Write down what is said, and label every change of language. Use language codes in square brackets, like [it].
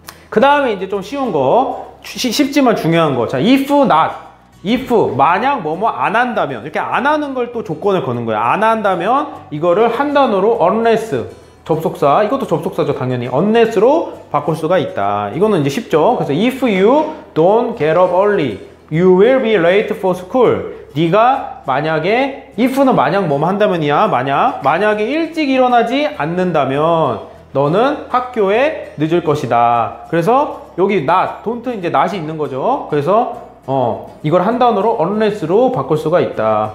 [ko] 그 다음에 이제 좀 쉬운 거. 쉽지만 중요한 거. 자, if not. if 만약 뭐뭐 안 한다면, 이렇게 안 하는 걸 또 조건을 거는 거야. 안 한다면 이거를 한 단어로 unless 접속사, 이것도 접속사죠 당연히, unless로 바꿀 수가 있다. 이거는 이제 쉽죠. 그래서 [en] if you don't get up early you will be late for school. [ko] 네가 만약에, if는 만약 뭐뭐 한다면이야. 만약에 일찍 일어나지 않는다면 너는 학교에 늦을 것이다. 그래서 여기 not, don't 이제 not이 있는 거죠. 그래서 이걸 한 단어로 unless로 바꿀 수가 있다.